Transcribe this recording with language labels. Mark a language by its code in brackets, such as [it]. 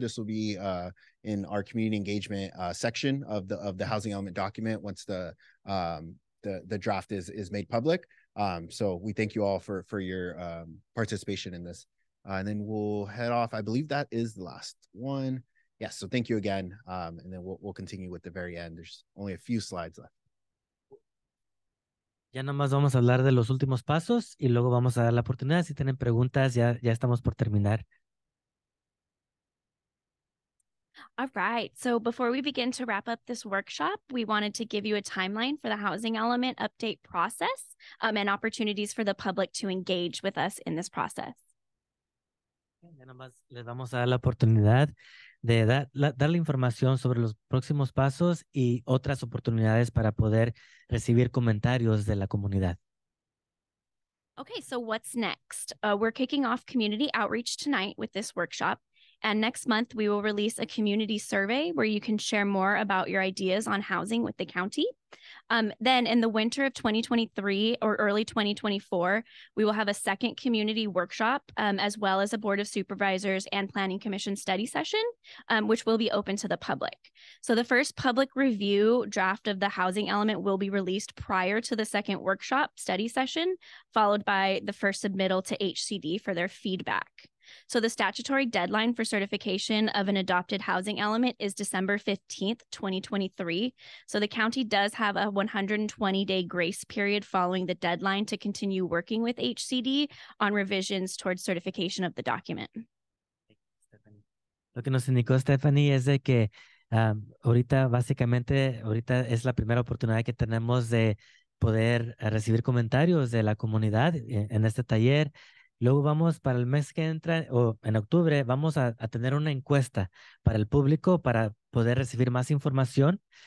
[en] This will be in our community engagement section of the housing element document once the draft is made public. So we thank you all for your participation in this. And then we'll head off. I believe that is the last one. Yes, so thank you again. And then we'll continue with the very end. There's only a few slides left. [es] Ya nomás vamos a hablar de los últimos pasos y luego vamos a dar la oportunidad. Si tienen preguntas, ya estamos por terminar. [en] All right. So before we begin to wrap up this workshop, we wanted to give you a timeline for the housing element update process and opportunities for the public to engage with us in this process. [es] Ya nomás les vamos a dar la oportunidad de dar la información sobre los próximos pasos y otras oportunidades para poder recibir comentarios de la comunidad. [en] Okay, so what's next? We're kicking off community outreach tonight with this workshop. And next month, we will release a community survey where you can share more about your ideas on housing with the county. Then in the winter of 2023 or early 2024, we will have a second community workshop, as well as a Board of Supervisors and Planning Commission study session, which will be open to the public. So the first public review draft of the housing element will be released prior to the second workshop study session, followed by the first submittal to HCD for their feedback. So the statutory deadline for certification of an adopted housing element is December 15th, 2023. So the county does have a 120-day grace period following the deadline to continue working with HCD on revisions towards certification of the document. [es] Lo que nos indicó Stephanie es de que ahorita, básicamente, ahorita es la primera oportunidad que tenemos de poder recibir comentarios de la comunidad en este taller. Luego vamos para el mes que entra, o en octubre, vamos a tener una encuesta para el público para poder recibir más información.